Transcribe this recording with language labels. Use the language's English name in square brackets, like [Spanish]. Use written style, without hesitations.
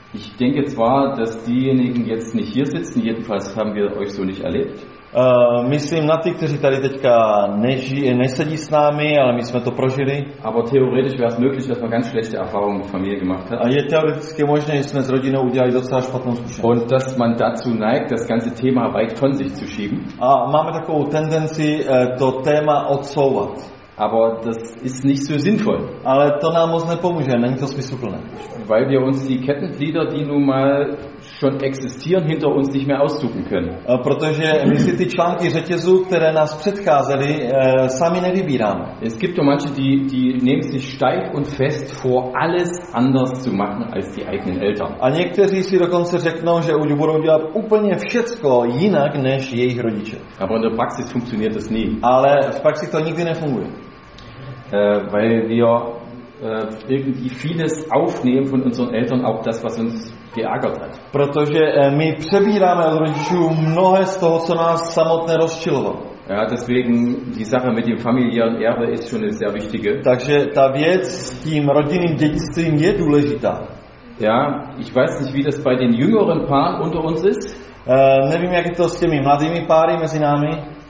[German] Ich denke zwar, dass diejenigen jetzt nicht hier sitzen, jedenfalls haben wir euch so nicht erlebt. [Czech] Myslím na ty, kteří tady teďka nesedí s námi, ale my jsme to prožili. [German] Aber theoretisch wäre es möglich, dass man ganz schlechte Erfahrungen mit Familie gemacht hat. [Czech] A je teoreticky možné, že jsme s rodinou udělali docela špatnou zkušenost. [German] Und dass man dazu neigt, das ganze Thema weit von sich zu schieben. [Czech] A máme takovou tendenci to téma odsouvat. [German] Aber das ist nicht so sinnvoll. [Czech] Ale to nám moc nepomůže, není to smysluplné. [German] Weil wir uns die Kettenglieder, die nun mal schon existieren, hinter uns nicht mehr aussuchen können. [Czech] Protože my si ty články řetězu, které nás předcházely, sami nevybíráme. [German] Es gibt so manche, die nehmen sich steif und fest vor, alles anders zu machen als die eigenen Eltern. [Czech] A někteří si dokonce řeknou, že už budou dělat úplně všecko jinak než jejich rodiče. [German] Aber in der Praxis funktioniert das nie. [Czech] Ale v praxi to nikdy nefunguje. [German] Weil wir irgendwie vieles aufnehmen von unseren Eltern, auch das, was uns geärgert hat. [Czech] Protože my přebíráme od rodičů mnohé z toho, co nás samotné rozčilovalo. [German] Ja, deswegen die Sache mit dem familiären Erbe ist schon eine sehr wichtige. [Czech] Takže ta věc s tím rodinným dědictvím je důležitá. [German] Ja, ich weiß nicht, wie das bei den jüngeren Paaren unter uns ist. [Czech] Nevím, jak je to s těmi mladými páry mezi námi.